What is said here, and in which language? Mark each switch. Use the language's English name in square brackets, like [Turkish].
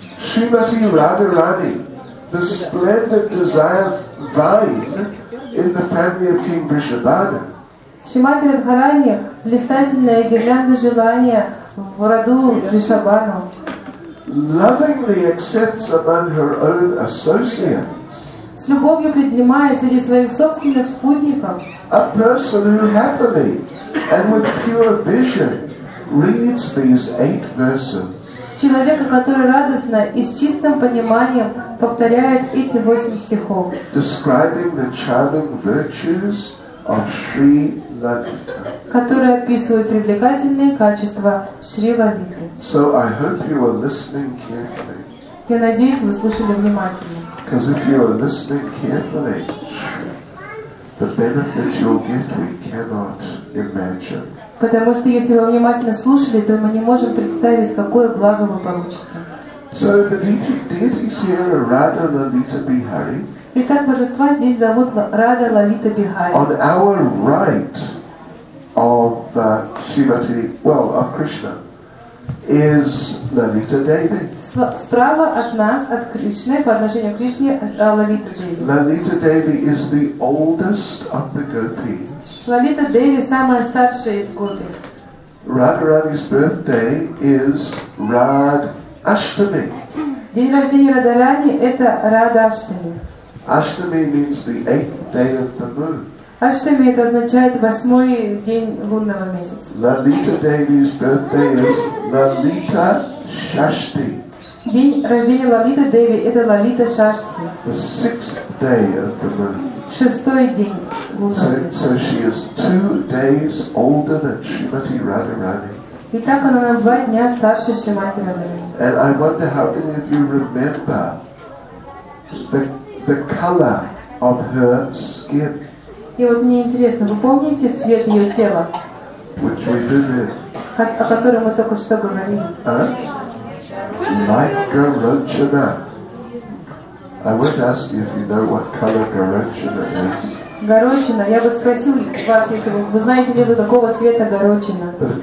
[English] Shrimati Radharani, the splendid desire vine in the family of King Vrishabhanu. [Russian] Шримати Радхарани, блистательная гирлянда желания в роду Вришабхану. [English] Lovingly accepts among her own associates. [Russian] С любовью принимая среди своих собственных спутников. [English] A person who happily and with pure vision reads these eight verses. [Russian] Человека, который радостно и с чистым пониманием повторяет эти восемь стихов. [English] Describing the charming virtues of Sri Lalita. [Russian] Которые описывают привлекательные качества Шри Лалиты. [English] So I hope you are listening carefully. [Russian] Я надеюсь, вы слушали внимательно. [English] Because if you are listening carefully, the benefits you'll get we cannot imagine. [Russian] Потому что если вы внимательно слушали, то мы не можем представить, какое благо вы получите. [English] So the deities here are Radha Lalita Bihari. [Russian] Итак, божества здесь зовут Radha Lalita Bihari. [English] On our right of Shrimati, well, of Krishna, is Lalita Devi. [Russian] Справа от нас, от Кришны, по отношению к Кришне, Лалита Деви. [English] Lalita Devi is the oldest of the gopis. [Russian] Лалита Деви самая старшая из гопи. [English] Радхарани's birthday is Rad Ashtami. [Russian] День рождения Радхарани это Рада Аштами. [English] Ashtami means the eighth day of the moon. [Russian] Ashtami это означает восьмой день лунного месяца. [English] Lalita Devi's birthday is Lalita Shashti. [Russian] День рождения Лалита Деви это Лалита Шашти. [English] The sixth day of the moon. [Russian] Шестой день лунного месяца. [English] So she is 2 days older than Shrimati Radharani. [Russian] Итак, она на 2 дня старше Шримати Радхарани. [English] And I wonder how many of you remember the color of her skin. [Russian] И вот мне интересно, вы помните цвет ее тела? [English] Which we did it. [Russian] О котором мы только что говорили. [English] Like Garanchana. I would ask you if you know what color Garanchana is. [Russian] Горошина. Я бы спросил вас, если вы знаете, где-то такого цвета горошина.